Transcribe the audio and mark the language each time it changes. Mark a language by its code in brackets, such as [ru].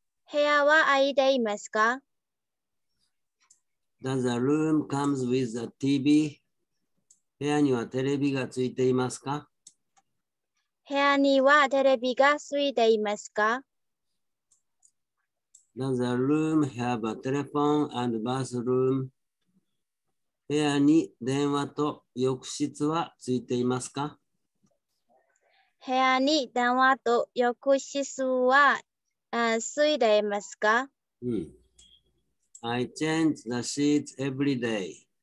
[ja] 部屋は空いていますか？ [en] Does a room comes with a TV? [ja] 部屋にはテレビがついていますか？部屋にはテレビがついていますか？ [en] Does a room have a telephone and bathroom? [ja] 部屋に電話と浴室はついていますか？部屋に電話と浴室はついていますか？ [en] うん。I change the sheets every day.